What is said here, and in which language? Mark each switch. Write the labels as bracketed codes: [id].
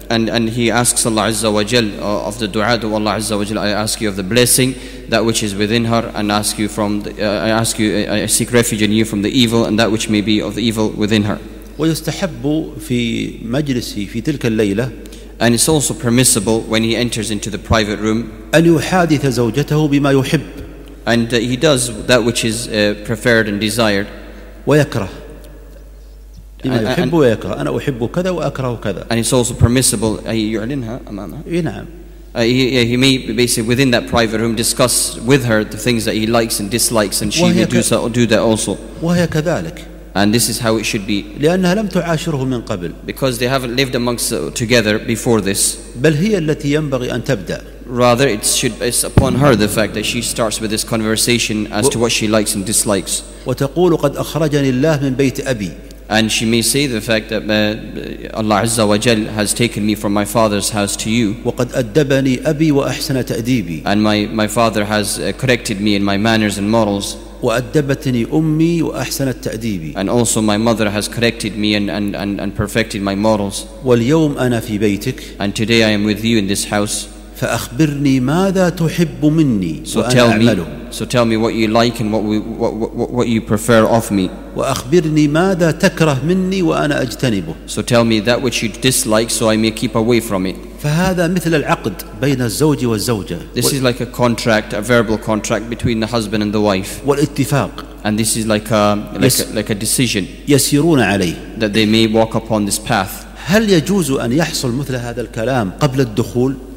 [en] And he asks Allah Azza wa Jal of the du'a to Allah Azza wa Jal, I ask you of the blessing that which is within her, and ask you from the, I seek refuge in you from the evil and that which may be of the evil within her. [ar] ويستحب في مجلسه في تلك الليلة. [en] And it's also permissible when he enters into the private room. [ar] أن يحادث زوجته بما يحب. [en] And he does that which is preferred and desired. [ar] ويكره. بما يحب ويكره. أنا أحب كذا وأكره كذا. [en] And it's also permissible. [ar] يعلنها أمامها. نعم. [en] He may basically within that private room discuss with her the things that he likes and dislikes, and she may do that also. [ar] وهي كذلك. [en] And this is how it should be. [ar] لأنها لم تعاشره من قبل. [en] Because they haven't lived amongst together before this. [ar] بل هي التي ينبغي أن تبدأ. [en] Rather, it's upon her the fact that she starts with this conversation as to what she likes and dislikes. [ar] وتقول قد أخرجني الله من بيت أبي. [en] And she may say the fact that Allah Azza wa Jal has taken me from my father's house to you. [ar] وقد أدبني أبي وأحسن تأديبي. [en] And my father has corrected me in my manners and morals. [ar] وأدبتني أمي وأحسنت تأديبي. [en] And also my mother has corrected me and perfected my morals. [ar] واليوم أنا في بيتك. [en] And today I am with you in this house. [ar] فأخبرني ماذا تحب مني. [en] So tell me. So tell me what you like and what you prefer of me. [ar] وأخبرني ماذا تكره مني وأنا أجتنبه. [en] So tell me that which you dislike so I may keep away from it. [ar] فهذا مثل العقد بين الزوج والزوجة. [en] This is like a contract, a verbal contract between the husband and the wife. [ar] والاتفاق. [en] And this is like a decision. [ar] يسيرون عليه. [en] That they may walk upon this path. [ar] هل يجوز أن يحصل مثل هذا الكلام قبل الدخول؟